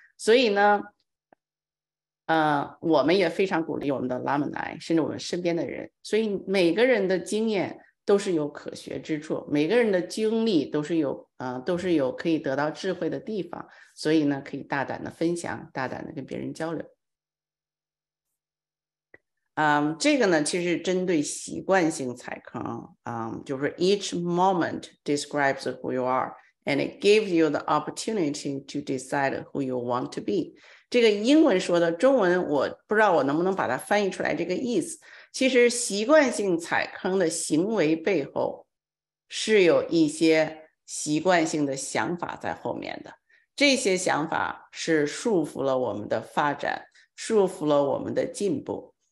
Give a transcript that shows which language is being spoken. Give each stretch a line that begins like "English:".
Chinese: 所以呢我们也非常鼓励我们的 alumni 甚至我们身边的人，所以每个人的经验都是有可学之处，每个人的经历都是有可以得到智慧的地方，所以呢可以大胆的分享，大胆的跟别人交流。这个呢其实针对习惯性踩坑，就是
English: each moment describes who you are and it gives you the opportunity to decide who you want to be。
Chinese: 这个英文说的，中文我不知道我能不能把它翻译出来这个意思。其实习惯性踩坑的行为背后是有一些习惯性的想法在后面的，这些想法是束缚了我们的发展，束缚了我们的进步。